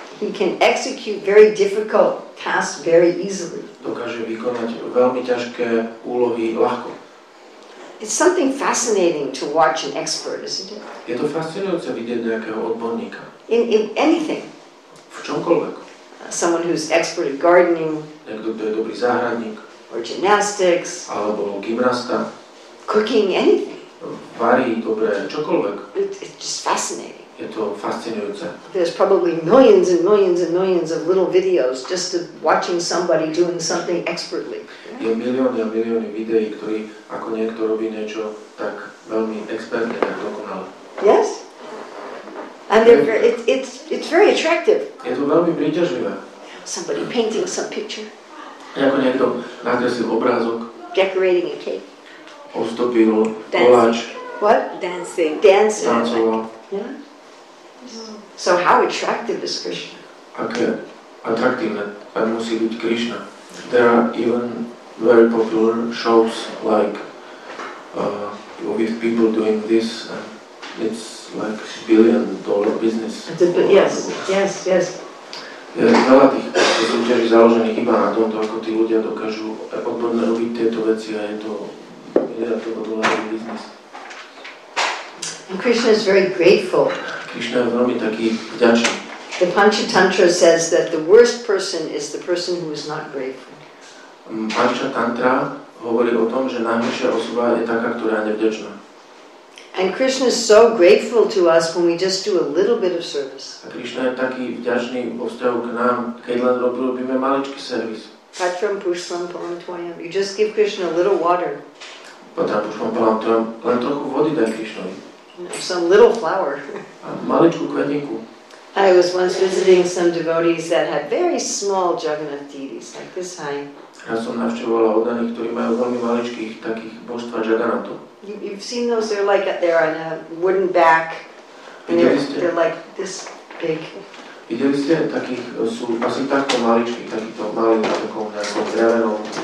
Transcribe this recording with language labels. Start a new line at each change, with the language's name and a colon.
English: He can execute very difficult tasks very easily.
Slovak: Dokáže vykonať veľmi ťažké úlohy ľahko.
English: It's something fascinating to watch an expert, isn't it?
Slovak: Je to fascinujúce vidieť nejakého odborníka.
English: In anything.
Slovak: V čomkoľvek.
English: Someone who's expert at gardening.
Slovak: Niekto, kto je dobrý záhradník.
English: Or gymnastics.
Slovak: Alebo gymnasta.
English: Cooking, anything.
Slovak: Varí dobre čokoľvek.
English: It's just fascinating.
Slovak: Je to fascinujúce.
English: There's probably millions and millions and millions of little videos just of watching somebody doing something expertly.
Slovak: Je milióny a milióny videí, ktorí ako niekto robí niečo tak veľmi expertne, tak dokonale.
English: Yes? And it's very attractive.
Slovak: Je to veľmi príťažlivé.
English: Somebody painting some picture.
Slovak: Ako niekto nakreslil obrázok.
English: Decorating a cake.
Slovak: Ostopil koláč.
English: What? Dancing. Dancing.
Slovak: Tancoval.
English: Yeah. So how attractive is Krishna?
Slovak: Aké atraktívne musí byť Krishna.
English: There are even very popular shows like with people doing this. It's like $1 billion business. Yes.
Slovak: Veľa tých súťaží založených iba na tomto, ako tí ľudia dokážu odborne robiť tieto veci a je to
English: $1 billion business. And Krishna is very grateful.
Slovak: Krishna je veľmi taký vďačný.
English: The Panchatantra says that the worst person is the person who is not grateful.
Slovak: Panchatantra hovorí o tom, že najhoršia osoba je taká, ktorá je nevďačná.
English: And Krishna is so grateful to us when we just do a little bit of service.
Slovak: A Krishna je taký vďačný vo vzťahu k nám, keď len robíme maličký servis.
Sanskrit: Patram pushpam palam tvayam.
English: You just give Krishna a little water.
Sanskrit: Patram pushpam palam tvayam.
Slovak: Len trochu vody daj Krishnovi.
English: Some little flower.
Slovak: A maličku kvetinku.
English: I was once visiting some devotees that had very small Jagannath deities, like this high.
Slovak: Ja som navštevoval oddaných, ktorí majú veľmi maličkých takých božstva Jagannathu.
English: You've seen those, they're like they're on a wooden back. They're like this big.
Slovak: Videli ste takých, sú asi takto maličkých, takýto malý, takou nejakou drevenou.